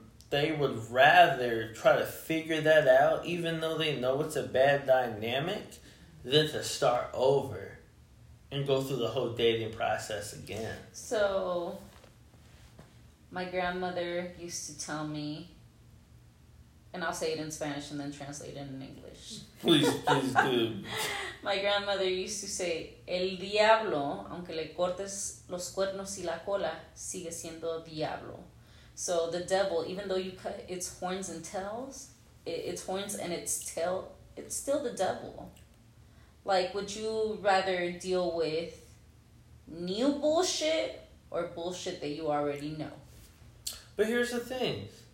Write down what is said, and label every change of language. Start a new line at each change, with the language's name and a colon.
English: They would rather try to figure that out, even though they know it's a bad dynamic, than to start over and go through the whole dating process again. So, my grandmother used to tell me, and I'll say it in Spanish and then translate it in English. Please do. My grandmother used to say,
Spanish: el diablo, aunque le cortes los cuernos y la cola, sigue siendo diablo.
English: So the devil, even though you cut its horns and tails, its horns and its tail, it's still the devil. Like, would you rather deal with new bullshit or bullshit that you already know? But here's the thing.